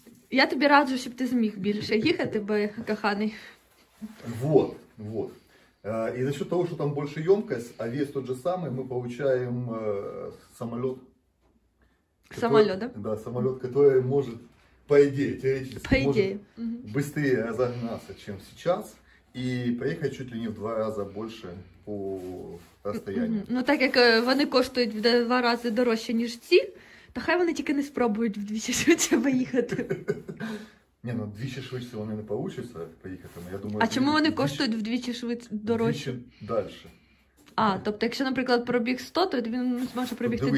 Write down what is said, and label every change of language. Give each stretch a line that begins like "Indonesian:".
Ukrainian: Я тобі раджу, щоб ти зміг більше їхати, бо коханий.
Russian: Вот, вот. И за счет того, что там больше емкость, а вес тот же самый, мы получаем самолет. Самолет, который, да? Да, самолет, который может, по идее, теоретически, по идее. Быстрее разогнаться, чем сейчас, и проехать чуть ли не в 2 раза больше по расстоянию.
Ukrainian: Ну так как они коштують в 2 раза дороже, ніж ці, то хай вони тільки не спробують вдвічі швидше поїхати. Не, ну двічі швидше вони не получиться поїхати, я думаю... А чому вони коштують вдвічі швидше дорожче? Вдвічі далі. А, тобто якщо, наприклад, пробіг 100, то він зможе пробігти 200.